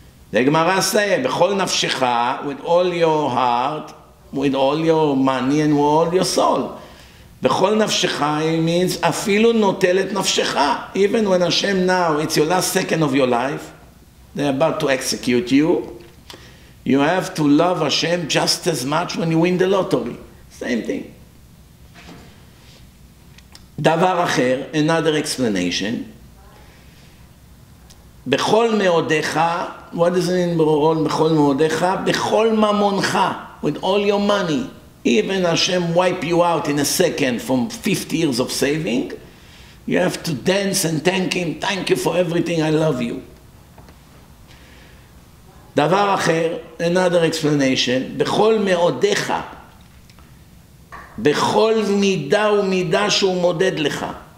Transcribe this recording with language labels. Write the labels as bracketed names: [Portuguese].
[English] The Gemara says, [Hebrew] בכל נפשך, [English] with all your heart, with all your money and with all your soul. [Hebrew] בכל נפשך, [English] it means, [Hebrew] אפילו נוטל את נפשך. [English] Even when Hashem now, it's your last second of your life, they're about to execute you, you have to love Hashem just as much when you win the lottery. Same thing. [Hebrew] דבר אחר, [English] another explanation. [Hebrew] בכל מאודיך, [English] what does it mean, בכל מאודיך? [Hebrew] בכל ממונך, [English] with all your money. Even Hashem wipe you out in a second from 50 years of saving, you have to dance and thank Him. Thank you for everything. I love you. [Hebrew] Davar acher, [English] another explanation. [Hebrew] Bechol meodecha, bechol mida u'mida shu moded lecha.